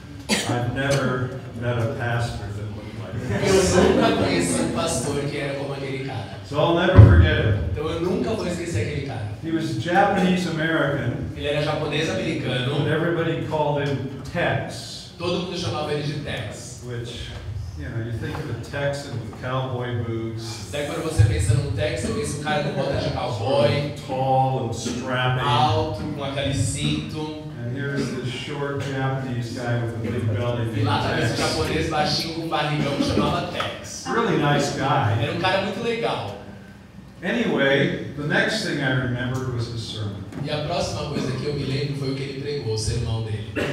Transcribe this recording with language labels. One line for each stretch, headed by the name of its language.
English: I've never met a pastor that looked like this.
Portuguese: Eu nunca conheci um pastor que era como aquele cara.
English: So I'll never forget him.
Portuguese: Então eu nunca vou esquecer aquele cara.
English: He was Japanese American.
Portuguese: Ele era japonês americano.
English: And everybody called him Tex.
Portuguese: Todo mundo chamava ele de Tex.
English: Which, you know, you think of a Texan with cowboy boots.
Portuguese: Daí quando você pensa num Texan, esse cara com bota de cowboy.
English: Tall and strapping.
Portuguese: Alto, com aquele cinto.
English: And here's this short Japanese guy with a big belly.
Portuguese: E lá tá esse japonês baixinho com barrigão que chamava Tex.
English: Really nice guy.
Portuguese: Era um cara muito legal.
English: Anyway, the next thing I remembered was his sermon.
Portuguese: E a próxima coisa que eu me lembro foi o que ele pregou, o sermão dele.